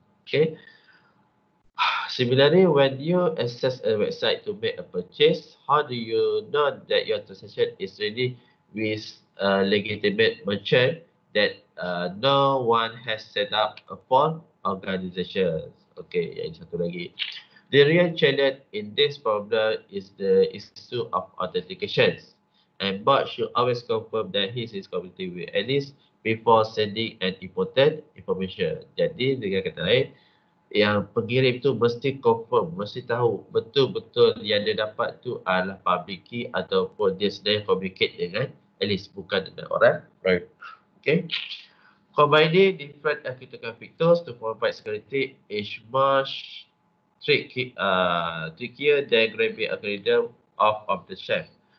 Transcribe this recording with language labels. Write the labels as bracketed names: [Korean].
[English] Okay, similarly, when you access a website to make a purchase, how do you know that your transaction is really with a legitimate merchant that no one has set up a phone organization? Okay, [Malay] yang satu lagi. [English] The real challenge in this problem is the issue of authentication. And Bob should always confirm that he is communicating with Alice before sending an important information. [Malay] Jadi, dengan kata lain, yang pengirim tu mesti confirm, mesti tahu betul-betul yang dia dapat tu adalah public key ataupun dia sedang communicate dengan at least bukan dengan orang. [English] Right. Okay. Combining different cryptographic tools to provide security is much trickier than grabbing algorithm off of the shelf.